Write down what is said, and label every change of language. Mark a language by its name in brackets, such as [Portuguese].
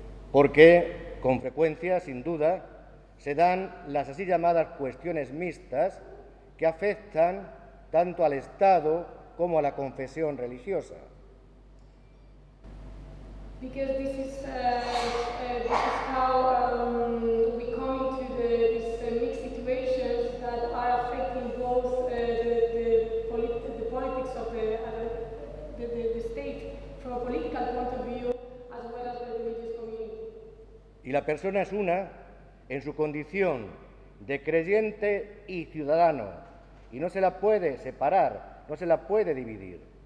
[Spanish] Porque, con frecuencia, sin duda, se dan las así llamadas cuestiones mixtas que afectan tanto al Estado como a la confesión religiosa. [English] Because this is how we come into these mixed situations that are affecting both the politics of the state from a political point of view as well as the religious community. [Spanish] Y la persona es una en su condición de creyente y ciudadano, y no se la puede separar, no se la puede dividir.